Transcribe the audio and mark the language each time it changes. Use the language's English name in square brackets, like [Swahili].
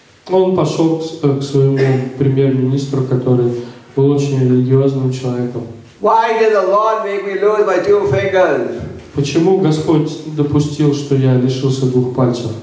[Russian] Он пошел к своему премьер-министру, который был очень религиозным человеком. [English] Why did the Lord make me lose my two fingers? [Russian] Почему Господь допустил, что я лишился двух пальцев?